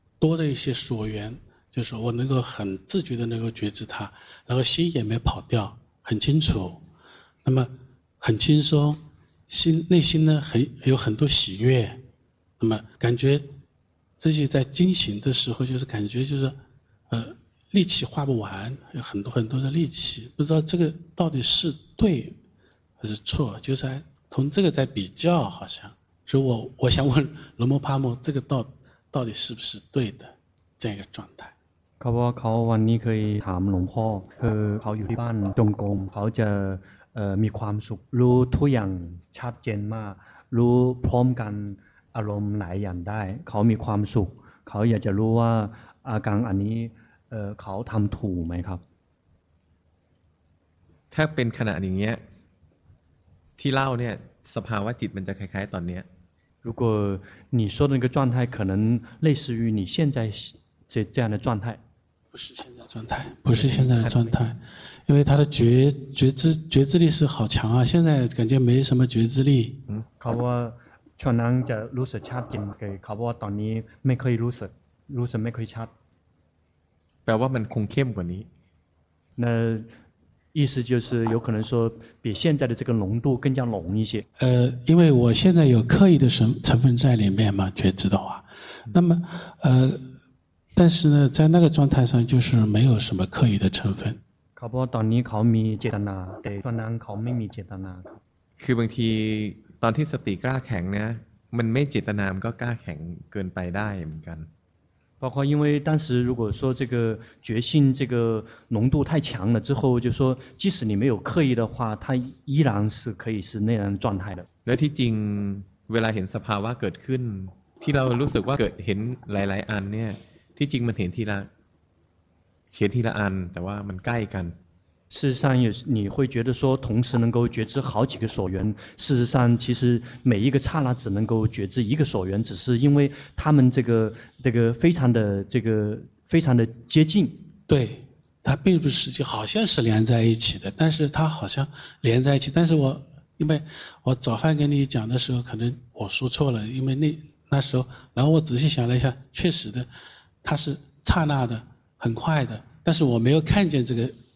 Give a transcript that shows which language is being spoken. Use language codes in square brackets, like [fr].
[zh] 多的一些所缘就是我能够很自觉的能够觉知它然后心也没跑掉很清楚那么很轻松心内心呢很有很多喜悦那么感觉自己在惊醒的时候就是感觉就是力气花不完有很多很多的力气不知道这个到底是对还是错就是从这个在比较好像所以我想问龙摩帕摩这个到底是不是对的这样一个状态 [th] ครับว่าเขาวันนี้เคยถามหลวงพ่อคือเขาอยู่ที่บ้านจงกรมเขาจะมีความสุขรู้ทุกอย่างชัดเจนมากรู้พร้อมกันอารมณ์ไหนอย่างได้เขามีความสุขเขาอยากจะรู้ว่าอาการอันนี้เขาทำถูกไหมครับ ถ้าเป็นขณะอย่างเงี้ยที่เล่าเนี่ยสภาวะจิตมันจะคล้ายๆตอนเนี้ย [zh] 如果你说的那个状态可能类似于你现在这样的状态不是现在状态不是现在的状态因为他的觉知力是好强啊现在感觉没什么觉知力 [th] เขาบอกว่าฉันนั่งจะรู้สึกชัดจริงๆเขาบอกว่าตอนนี้ไม่เคยรู้สึกไม่เคยชัด แปลว่ามันคงเข้มกว่านี้ [zh] 那意思就是有可能说比现在的这个浓度更加浓一些因为我现在有刻意的成分在里面嘛觉知的话那么但是呢在那个状态上就是没有什么刻意的成分 [th] เขาบอกตอนนี้เขามีเจตนาแต่ตอนนั้นเขาไม่มีเจตนา คือบางทีตอนที่สติกล้าแข็งเนี่ยมันไม่เจตนามันก็กล้าแข็งเกินไปได้เหมือนกัน [zh] 包括因为当时如果说这个觉性这个浓度太强了之后就说即使你没有刻意的话它依然是可以是那样的状态的 [th] แล้วที่จริงเวลาเห็นสภาวะเกิดขึ้นที่เรารู้สึกว่าเกิดเห็นหลายๆอันเนี่ยที่จริงมันเห็นทีละอันแต่ว่ามันใกล้กัน [zh] 事实上也你会觉得说同时能够觉知好几个所缘，事实上其实每一个刹那只能够觉知一个所缘，只是因为他们这个非常的这个非常的接近。对，它并不是就好像是连在一起的，但是它好像连在一起，但是我因为我早饭跟你讲的时候可能我说错了，因为那时候然后我仔细想了一下，确实的它是刹那的很快的，但是我没有看见这个